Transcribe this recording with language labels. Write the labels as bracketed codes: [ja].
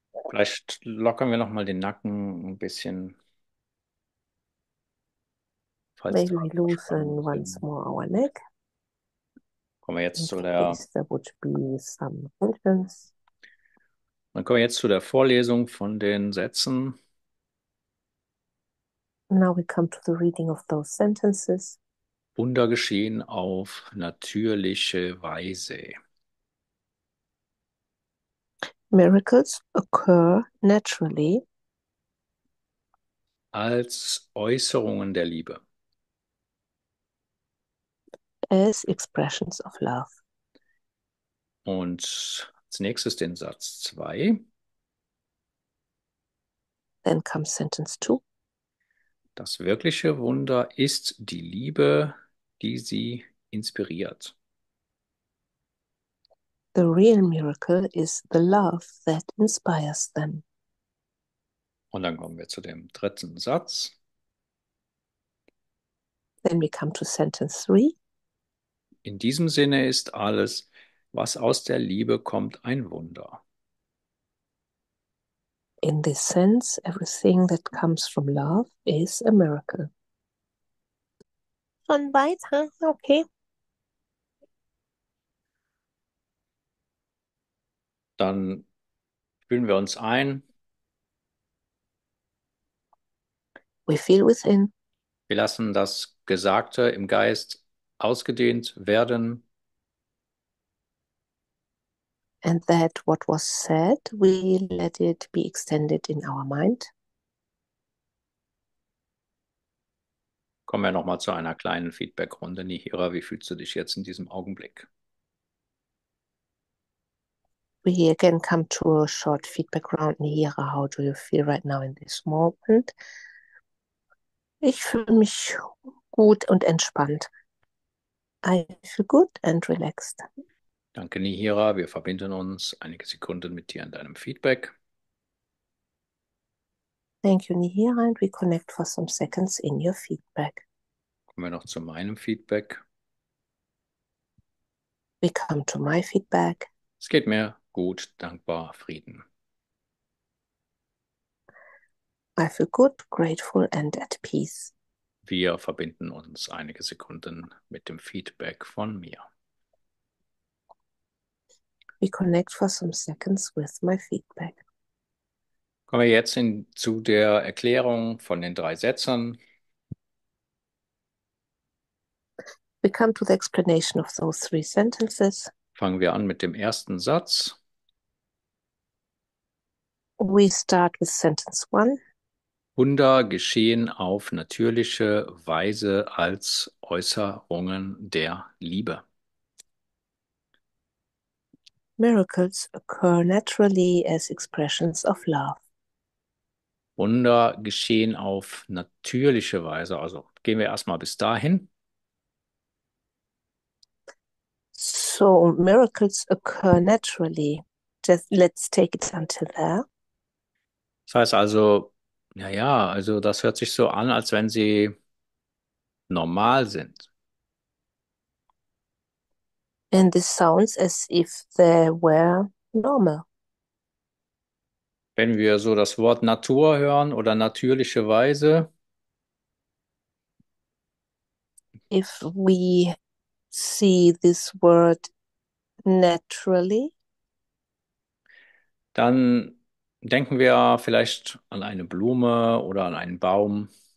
[de] Vielleicht lockern wir noch mal den Nacken ein bisschen, falls da [en] Loosen [de] Verspannungen [en] once [de] sind. [en] more our neck. [de] Kommen wir jetzt [en] In [de] zu der [en] case there would be some hindrance. [de] Dann kommen wir jetzt zu der Vorlesung von den Sätzen. [en] Now we come to the reading of those sentences. [de] Wunder geschehen auf natürliche Weise. [en] Miracles occur naturally. [de] Als Äußerungen der Liebe. [en] As expressions of love. [de] Und als nächstes den Satz 2. [en] Then comes sentence two. [de] Das wirkliche Wunder ist die Liebe, die sie inspiriert. [en] The real miracle is the love that inspires them. [de] Und dann kommen wir zu dem dritten Satz. [en] Then we come to sentence three. [de] In diesem Sinne ist alles, was aus der Liebe kommt, ein Wunder. [en] In this sense, everything that comes from love is a miracle. [de] Schon weit, okay. Dann fühlen wir uns ein. [en] We feel within. [de] Wir lassen das Gesagte im Geist ausgedehnt werden. [en] And that what was said, we let it be extended in our mind. [de] Kommen wir nochmal zu einer kleinen Feedback-Runde. Nihira, wie fühlst du dich jetzt in diesem Augenblick? [en] We again come to a short feedback round. Nihira, how do you feel right now in this moment? [de] Ich fühle mich gut und entspannt. [en] I feel good and relaxed. [de] Danke, Nihira. Wir verbinden uns einige Sekunden mit dir in deinem Feedback. [en] Thank you, Nihira, and we connect for some seconds in your feedback. [de] Kommen wir noch zu meinem Feedback. [en] We come to my feedback. [de] Es geht mir gut, dankbar, Frieden. [en] I feel good, grateful and at peace. [de] Wir verbinden uns einige Sekunden mit dem Feedback von mir. [en] We connect for some seconds with my feedback. [de] Kommen wir jetzt zu der Erklärung von den drei Sätzen. [en] We come to the explanation of those three sentences. [de] Fangen wir an mit dem ersten Satz. [en] We start with sentence one. [de] Wunder geschehen auf natürliche Weise als Äußerungen der Liebe. [en] Miracles occur naturally as expressions of love. [de] Wunder geschehen auf natürliche Weise, also gehen wir erstmal bis dahin. [en] So, miracles occur naturally. Just let's take it until there. [de] Das heißt also, naja, also das hört sich so an, als wenn sie normal sind. [en] And this sounds as if they were normal. [de] Wenn wir so das Wort Natur hören oder natürliche Weise. [en] If we see this word naturally. [de] Dann denken wir vielleicht an eine Blume oder an einen Baum.